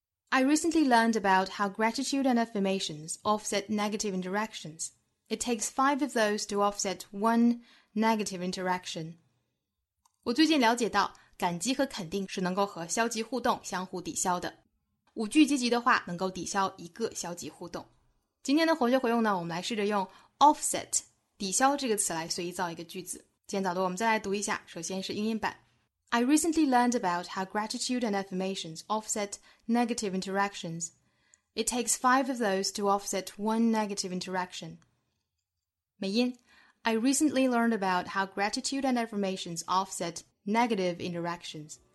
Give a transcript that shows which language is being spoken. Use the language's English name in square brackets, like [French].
[English] I recently learned about how gratitude and affirmations offset negative interactions. It takes five of those to offset one negative interaction. [Chinese] 我最近了解到感激和肯定是能够和消极互动相互抵消的。五句积极的话能够抵消一个消极互动。今天的活学活用呢，我们来试着用 offset 抵消这个词来随意造一个句子。今天早读我们再来读一下，首先是英音版。 [English] I recently learned about how gratitude and affirmations offset negative interactions. It takes five of those to offset one negative interaction. 美音 I recently learned about how gratitude and affirmations offset negative interactions.